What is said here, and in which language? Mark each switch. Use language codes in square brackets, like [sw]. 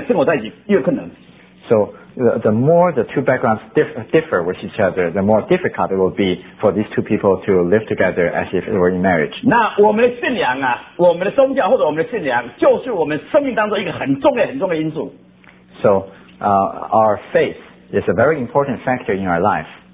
[zh] 那这个人，那这个背景啊，如果离得越远呢，你要两个人生活在一起越困难。 [en] So the more the two backgrounds differ with each other, the more difficult it will be for these two people to live together as if it were in marriage. [zh] 那我们的信仰啊，我们的宗教或者我们的信仰，就是我们生命当中一个很重要很重要的因素。 [en] So our faith. It's a very important factor in our life.